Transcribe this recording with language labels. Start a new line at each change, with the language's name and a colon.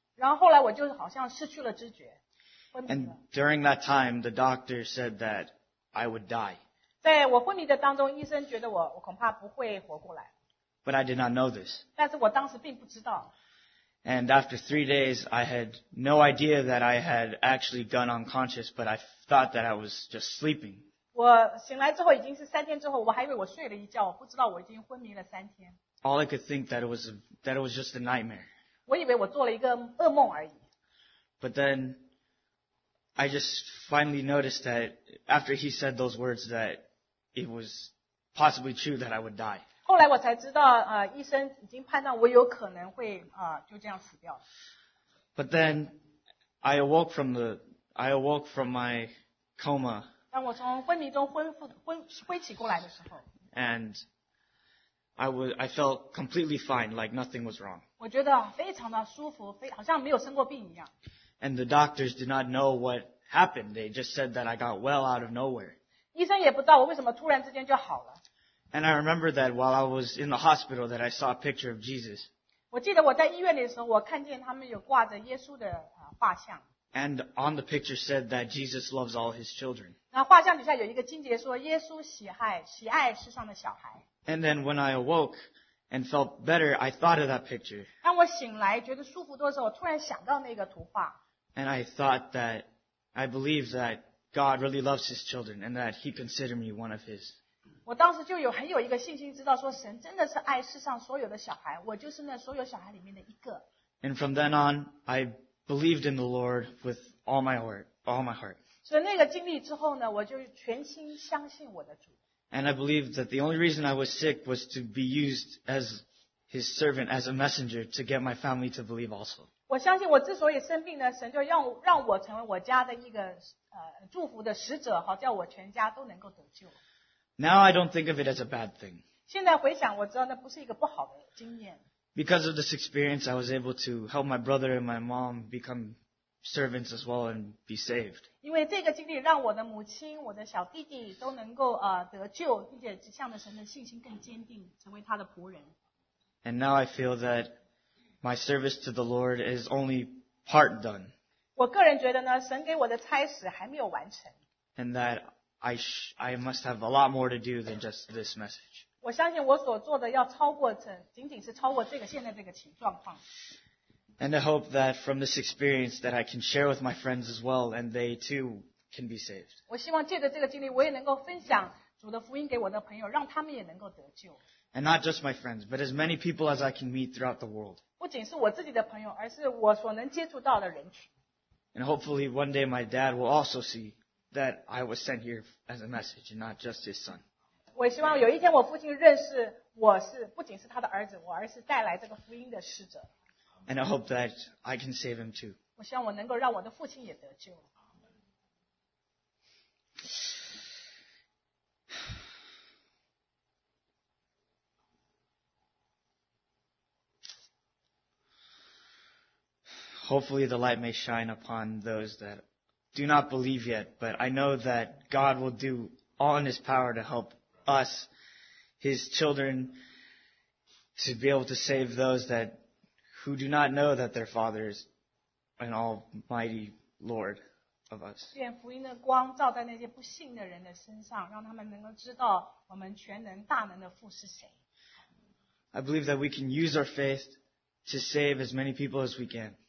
Chinese: 然后后来我就好像失去了知觉。
English: And during that time, the doctor said that I would die.
Chinese: 在我昏迷的当中医生觉得我恐怕不会活过来。
English: But I did not know this.
Chinese: 但是我当时并不知道。
English: And after 3 days, I had no idea that I had actually gone unconscious, but I thought that I was just sleeping.
Chinese: 我醒来之后已经是三天之后，我还以为我睡了一觉，我不知道我已经昏迷了三天。
English: All I could think that it was just a nightmare.
Chinese: 我以为我做了一个噩梦而已。
English: But then, I just finally noticed that after he said those words that it was possibly true that I would die.
Chinese: 后来我才知道，医生已经判断我有可能会就这样死掉。
English: But then I awoke from my coma.
Chinese: 当我从昏迷中恢复过来的时候
English: ，and I felt completely fine, like nothing was wrong.
Chinese: 我觉得非常的舒服，好像没有生过病一样。
English: And the doctors did not know what happened. They just said that I got well out of nowhere.
Chinese: 医生也不知道我为什么突然之间就好了。
English: And I remember that while I was in the hospital that I saw a picture of Jesus.
Chinese: 我记得我在医院的时候我看见他们有挂着耶稣的画像。
English: And on the picture said that Jesus loves all his children.
Chinese: 那画像底下有一个经节说耶稣喜爱世上的小孩。
English: And then when I awoke and felt better, I thought of that picture.
Chinese: 当我醒来觉得舒服多的时候，我突然想到那个图画。
English: And I thought that I believe that God really loves His children and that He considered me one of His.
Chinese: 我当时就有很有一个信心，知道说神真的是爱世上所有的小孩，我就是那所有小孩里面的一个。
English: And from then on, I believed in the Lord with all my heart.
Chinese: So 那个经历之后呢，我就全心相信我的主。
English: And I believed that the only reason I was sick was to be used as His servant, as a messenger, to get my family to believe also.
Chinese: 我相信我之所以生病呢，神就让我成为我家的一个祝福的使者，好叫我全家都能够得救。
English: Now I don't think of it as a bad thing.
Chinese: 现在回想，我知道那不是一个不好的经验。
English: Because of this experience, I was able to help my brother and my mom become servants as well and be saved.
Chinese: 因为这个经历让我的母亲、我的小弟弟都能够得救，并且向着神的信心更坚定，成为他的仆人。
English: And now I feel that my service to the Lord is only part done.
Chinese: 我个人觉得呢，神给我的差使还没有完成。
English: And that I must have a lot more to do than just this message.
Chinese: 我相信我所做的要超过仅仅是超过这个现在这个状况。
English: And I hope that from this experience that I can share with my friends as well and they too can be saved.
Chinese: 我希望借着这个经历，我也能够分享主的福音给我的朋友，让他们也能够得救。
English: And not just my friends, but as many people as I can meet throughout the world.
Chinese: 不仅是我自己的朋友，而是我所能接触到的人群。
English: And hopefully one day my dad will also see that I was sent here as a message and not just his son.
Chinese: 我希望有一天我父亲认识我是不仅是他的儿子，我而是带来这个福音的使者。
English: And I hope that I can save him too.
Chinese: 我希望我能够让我的父亲也得救。
English: Hopefully the light may shine upon those that do not believe yet, but I know that God will do all in His power to help us, His children, to be able to save those that who do not know that their Father is an almighty Lord of us.
Chinese: 愿福音的光照在那些不信的人的身上，让他们能够知道我们全能大能的父是谁。
English: I believe that we can use our faith to save as many people as we can.